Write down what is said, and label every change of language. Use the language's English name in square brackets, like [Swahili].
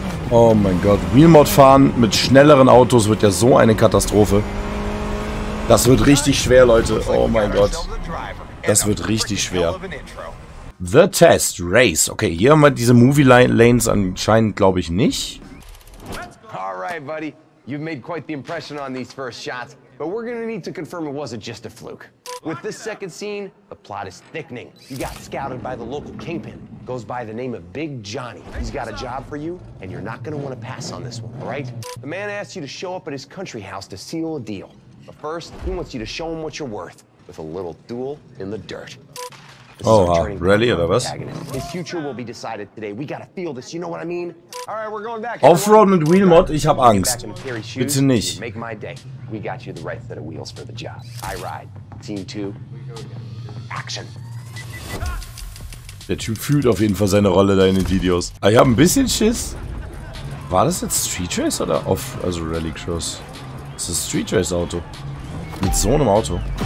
[German] Oh mein Gott, Wheelmod fahren mit schnelleren Autos wird ja so eine Katastrophe. Das wird richtig schwer, Leute. Oh mein Gott. Das wird richtig schwer. [English] The Test Race. [German] Okay, hier haben wir diese Movie-Lanes anscheinend, glaube ich, nicht. [English] Alright, buddy. You've made quite the impression on these first shots. But we're gonna need to confirm it wasn't just a fluke. With this second scene, the plot is thickening. You got scouted by the local kingpin. Goes by the name of Big Johnny. He's got a job for you, and you're not gonna want to pass on this one, right? The man asks you to show up at his country house to seal a deal. But first, he wants you to show him what you're worth with a little duel in the dirt. His future will be decided today. We gotta feel this, you know what I mean? All right, we're going back. [German] Offroad mit Wheelmod, ich hab Angst. Bitte nicht. [English] Make my day. We got you the right set of wheels for the job. I ride. Team 2. Action. [German] Der Typ fühlt auf jeden Fall seine Rolle da in den Videos. Ich hab ein bisschen Schiss. War das jetzt Street Race oder Off, also Rallycross? Das ist Street Race Auto. Mit so einem Auto.